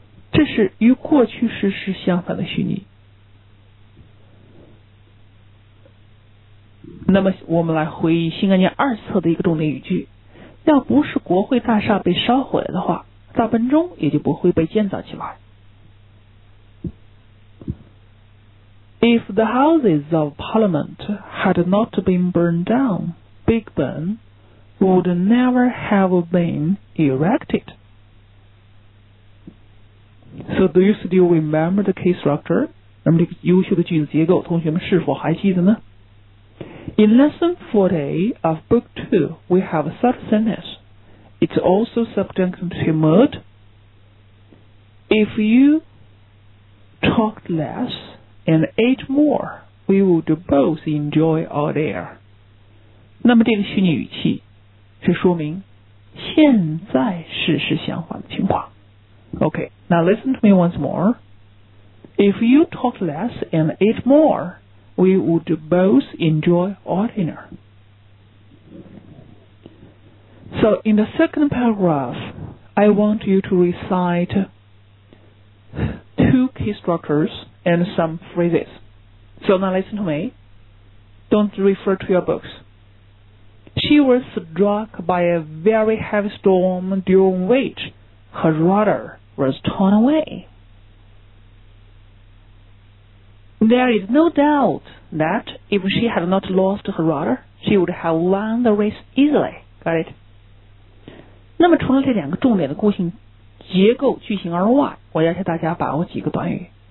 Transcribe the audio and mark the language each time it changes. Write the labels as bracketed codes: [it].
[zh] 这是与过去时是相反的虚拟。那么，我们来回忆新概念二册的一个重点语句：要不是国会大厦被烧毁了的话，大本钟也就不会被建造起来。 [en] If the houses of Parliament had not been burned down. Big Ben would never have been erected. So do you still remember the key structure? [zh] 那么这个优秀的句子结构同学们是否还记得呢 [en] In lesson 40 of book 2 we have a third sentence. It's also subjunctive mood. If you talked less and ate more we would both enjoy our air. [zh] 那么这个虚拟语气是说明现在事实相反的情况 [en] Okay, now listen to me once more. If you talked less and ate more, we would both enjoy our dinner. So in the second paragraph, I want you to recite two key structures and some phrases. So now listen to me. Don't refer to your books. She was struck by a very heavy storm during which her rudder was torn away. There is no doubt that if she had not lost her rudder, she would have won the race easily. Got it? [zh] 那么除了这两个重点的固性结构句型而外，我要求大家把握几个短语。